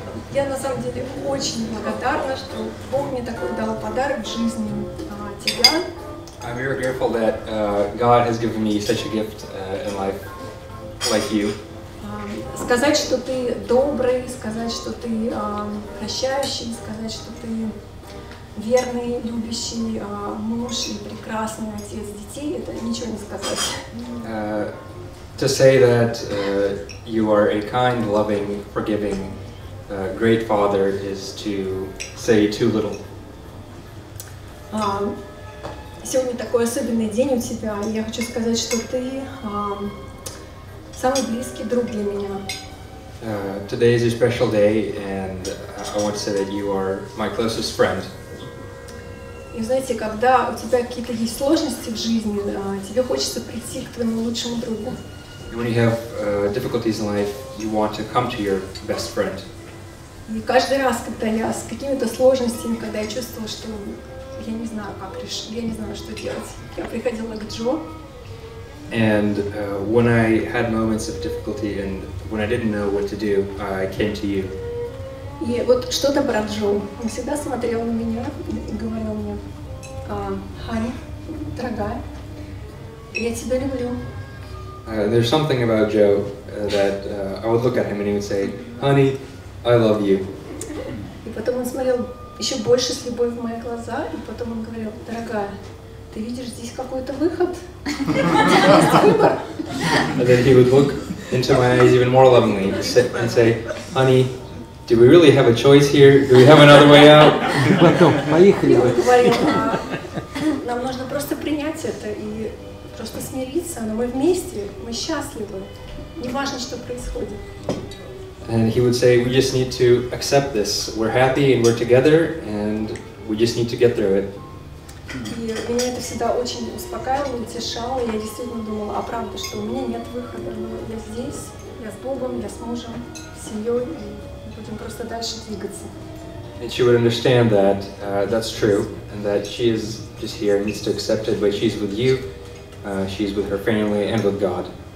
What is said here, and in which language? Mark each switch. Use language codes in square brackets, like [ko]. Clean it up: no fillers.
[ru] Я на самом деле очень благодарна, что Бог мне такой дал подарок в жизни тебя. [en] I'm very grateful that God has given me such a gift in life like you. [ru] Сказать, что ты добрый, сказать, что ты прощающий, сказать, что ты верный, любящий муж и прекрасный отец детей, это ничего не сказать. [en] To say that you are a kind, loving, forgiving, great father is to say too little. [ru] Сегодня такой особенный день у тебя, и я хочу сказать, что ты самый близкий друг для меня. [en] Today is a special day, and I want to say that you are my closest friend. [ru] И знаете, когда у тебя какие-то есть сложности в жизни, тебе хочется прийти к твоему лучшему другу. [en] When you have difficulties in life, you want to come to your best friend. [ru] И каждый раз, когда я с какими-то сложностями, когда я чувствовала, что я не знаю, как решить, я не знаю, что делать, я приходила к Джо. [en] And when I had moments of difficulty and when I didn't know what to do, I came to you. [ru] И вот что-то про Джо. Он всегда смотрел на меня и говорил мне: «Хани, дорогая, я тебя люблю». [en] There's something about Joe that I would look at him and he would say, "Honey, I love you." [ru] И потом он смотрел еще больше с любовью в мои глаза, и потом он говорил: "Дорогая, ты видишь здесь какой-то выход? Есть выбор." [en] And then he would look into my eyes even more lovingly and say, "Honey, do we really have a choice here? Do we have another way out?" [ru] Потом поехали. Нам нужно просто принять это и просто смириться, но мы вместе, мы счастливы. Не важно, что происходит. [en] And he would say, we just need to accept this. We're happy and we're together, and we just need to get through it. [ru] И меня это всегда очень успокаивало, утешало. Я действительно думала, а правда, что у меня нет выхода. Но я здесь, я с Богом, я с мужем, с семьей, и будем просто дальше двигаться. [en] And she would understand that that's true, and that she is just here, needs to accept it, but she's with you, she's with her family, and with God.